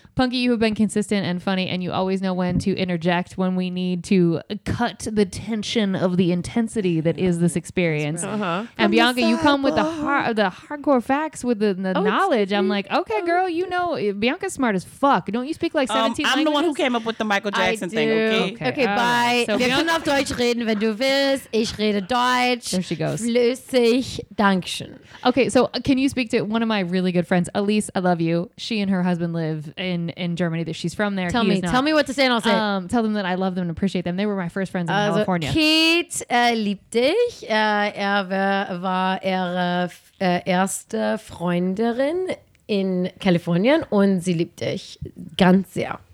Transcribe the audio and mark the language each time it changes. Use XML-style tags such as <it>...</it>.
<en>Punky, you have been consistent and funny, and you always know when to interject when we need to cut the tension of the intensity that is this experience. Uh-huh. And Bianca, you come with the hardcore facts, with the knowledge. I'm like, okay, girl, you know, Bianca's smart as fuck. Don't you speak like 17 I'm languages? The one who came up with the Michael Jackson thing, okay? Okay, bye.</en> <de>So wir können auf Deutsch reden, wenn du willst. Ich rede Deutsch.</de> <en>There she goes.</en> <de>Flüssig. Dankeschön.</de> <en>Okay, so can you speak to one of my really good friends, Elise? I love you. She and her husband live in Germany, that she's from there. Tell me what to say and I'll say it. Tell them that I love them and appreciate them. They were my first friends in California.</en> <de>Kate liebt dich. War ihre erste Freundin in Kalifornien und sie liebt dich ganz sehr.</de>